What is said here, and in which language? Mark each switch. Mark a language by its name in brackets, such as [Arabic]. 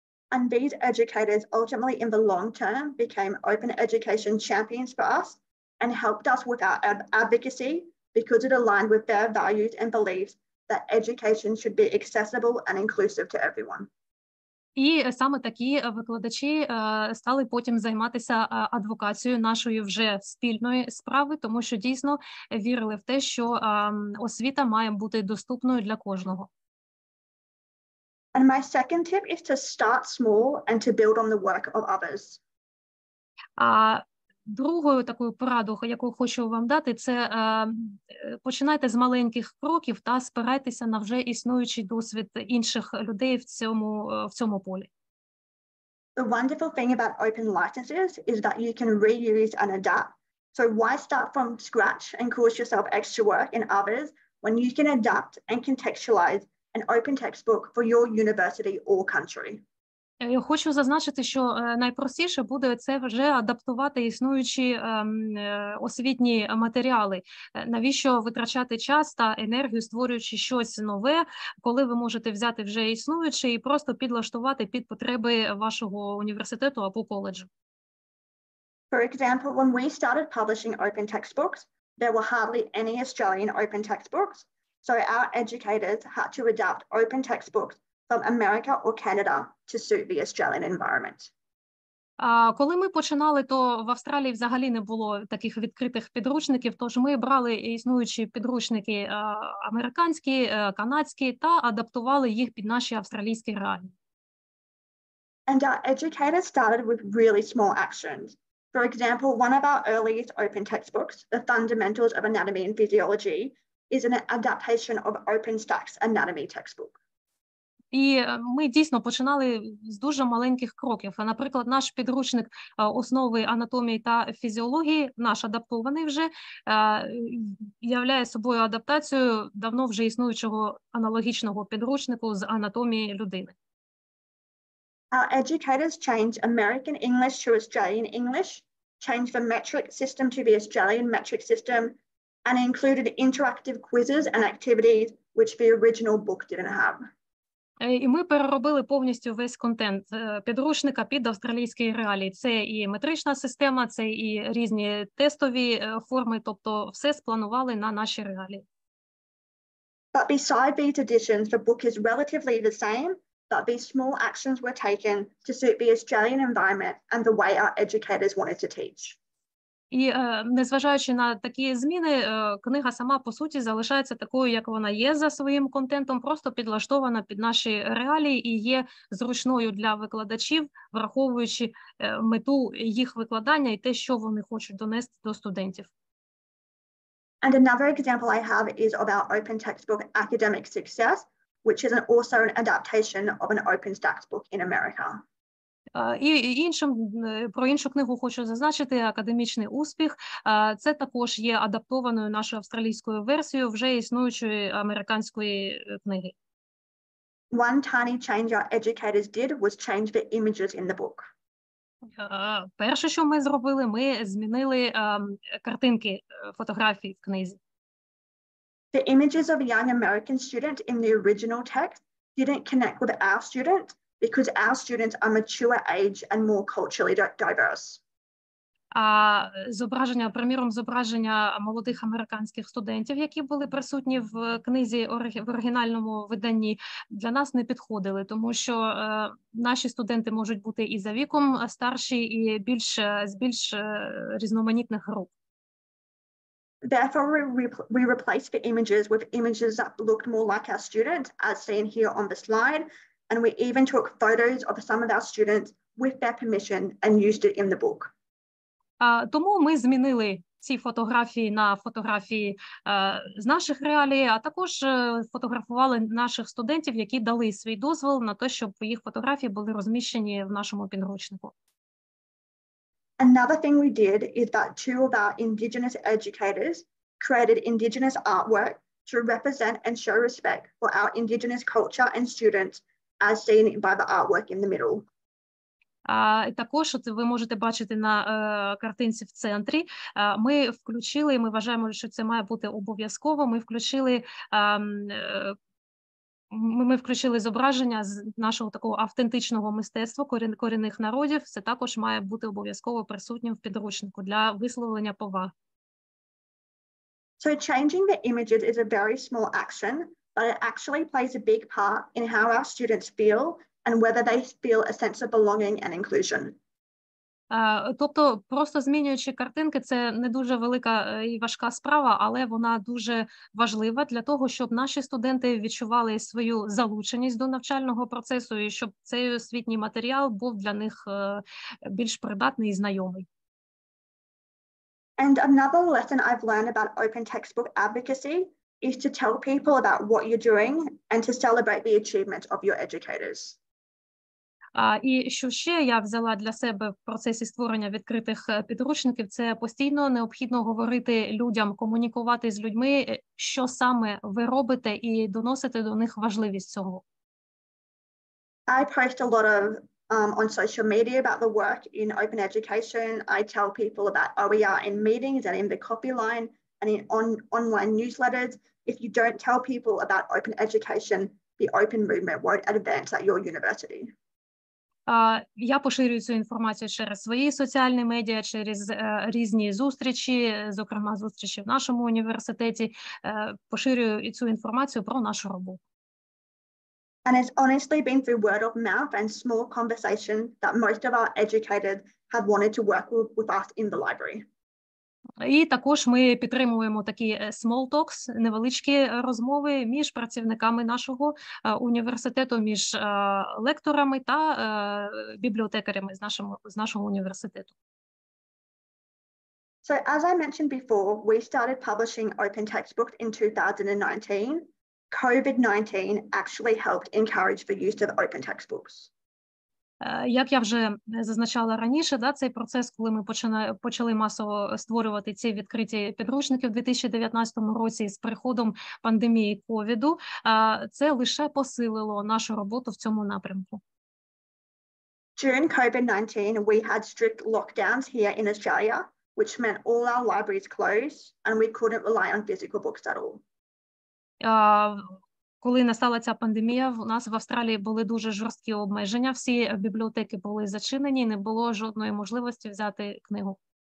[English] And these educators ultimately in the long term became open education champions for us and helped us with our advocacy because it aligned with their values and beliefs that education should be accessible and inclusive to everyone. [Ukrainian] І саме такі викладачі стали потім займатися адвокацією нашої вже спільної справи, тому що дійсно вірили в те, що освіта має бути доступною для кожного. [English] And my second tip is to start small and to build on the work of others. [Ukrainian] Другою такою порадою, яку хочу вам дати, це починайте з маленьких кроків та спирайтеся на вже існуючий досвід інших людей в цьому полі. [English] The wonderful thing about open licenses is that you can reuse and adapt. So why start from scratch and cause yourself extra work in others when you can adapt and contextualize an open textbook for your university or country. [Ukrainian] Я хочу зазначити, що найпростіше буде це вже адаптувати існуючі освітні матеріали. Навіщо витрачати час та енергію, створюючи щось нове, коли ви можете взяти вже існуюче і просто підлаштувати під потреби вашого університету або коледжу? [English] For example, when we started publishing open textbooks, there were hardly any Australian open textbooks, so our educators had to adapt open textbooks from America or Canada to suit the Australian environment. [Ukrainian] Коли ми починали, то в Австралії взагалі не було таких відкритих підручників, тож ми брали існуючі підручники американські, канадські та адаптували їх під наші австралійські реалії. [English] And our educators started with really small actions. For example, one of our earliest open textbooks, The Fundamentals of Anatomy and Physiology, is an adaptation of OpenStax anatomy textbook. [Ukrainian] І ми дійсно починали з дуже маленьких кроків. Наприклад, наш підручник основи анатомії та фізіології, наш адаптований вже, являє собою адаптацію давно вже існуючого аналогічного підручнику з анатомії людини. [English] Our educators changed American English to Australian English, changed the metric system to the Australian metric system, and included interactive quizzes and activities which the original book didn't have. [Ukrainian] І ми переробили повністю весь контент підручника під австралійські реалії. Це і метрична система, це і різні тестові форми, тобто все спланували на наші реалії. [English] But beside these additions, the book is relatively the same, but these small actions were taken to suit the Australian environment and the way our educators wanted to teach. [Ukrainian] І незважаючи на такі зміни, книга сама по суті залишається такою, як вона є за своїм контентом, просто підлаштована під наші реалії і є зручною для викладачів, враховуючи мету їх викладання і те, що вони хочуть донести до студентів. [English] And another example I have is of our open textbook Academic Success, which is also an adaptation of an OpenStax book in America. [Ukrainian] І іншим, про іншу книгу хочу зазначити, академічний успіх. Це також є адаптованою нашою австралійською версією вже існуючої американської книги. [English] One tiny change our educators did was change the images in the book. [Ukrainian] Перше, що ми зробили, ми змінили картинки, фотографії в книзі. [English] The images of a young American student in the original text didn't connect with our student, because our students are mature age and more culturally diverse. [Ukrainian] Зображення, приміром, зображення молодих американських студентів, які були присутні в книзі в оригінальному виданні, для нас не підходили, тому що наші студенти можуть бути і за віком старші, і з більш різноманітних груп. [English] Therefore, we replaced the images with images that looked more like our students, as seen here on the slide. And we even took photos of some of our students with their permission and used it in the book. [Ukrainian] Тому ми змінили ці фотографії на фотографії з наших реалій, а також фотографували наших студентів, які дали свій дозвіл на те, щоб їх фотографії були розміщені в нашому підручнику. [English] Another thing we did is that two of our Indigenous educators created Indigenous artwork to represent and show respect for our Indigenous culture and students, as seen by the artwork in the middle. [Ukrainian] Також от ви можете бачити на картинці в центрі, ми включили, ми вважаємо, що це має бути обов'язково, ми включили зображення з нашого такого автентичного мистецтва корінних народів, це також має бути обов'язково присутнім в підручнику для висловлення поваги. [English] So changing the images is a very small action, but it actually plays a big part in how our students feel and whether they feel a sense of belonging and inclusion. [Ukrainian] Тобто просто змінюючи картинки, це не дуже велика і важка справа, але вона дуже важлива для того, щоб наші студенти відчували свою залученість до навчального процесу і щоб цей освітній матеріал був для них більш придатний і знайомий. [English] And another lesson I've learned about open textbook advocacy is to tell people about what you're doing and to celebrate the achievements of your educators. [Ukrainian] І що ще я взяла для себе в процесі створення відкритих підручників, це постійно необхідно говорити людям, комунікувати з людьми, що саме ви робите, і доносити до них важливість цього. [English] I post a lot of on social media about the work in open education. I tell people about OER in meetings and in the copy line and in online newsletters. If you don't tell people about open education, the open movement won't advance at your university. [Ukrainian] Я поширюю цю інформацію через свої соціальні медіа, через різні зустрічі, зокрема зустрічі в нашому університеті, поширюю і цю інформацію про нашу роботу. [English] And it's honestly been through word of mouth and small conversation that most of our educators have wanted to work with us in the library. [Ukrainian] І також ми підтримуємо такі [English] small talks, [Ukrainian] невеличкі розмови між працівниками нашого університету, між лекторами та бібліотекарями з нашого університету. [English] So as I mentioned before, we started publishing open textbooks in 2019. COVID-19 actually helped encourage the use of open textbooks. [Ukrainian] Як я вже зазначала раніше, да, цей процес, коли ми почали масово створювати ці відкриті підручники в 2019 році з приходом пандемії ковіду, це лише посилило нашу роботу в цьому напрямку. [English] During COVID-19, we had strict lockdowns here in Australia, which meant all our libraries closed and we couldn't rely on physical books at all. [Ukrainian] Коли настала ця пандемія, у нас в Австралії були дуже жорсткі обмеження, всі бібліотеки були зачинені, не було жодної можливості взяти книгу.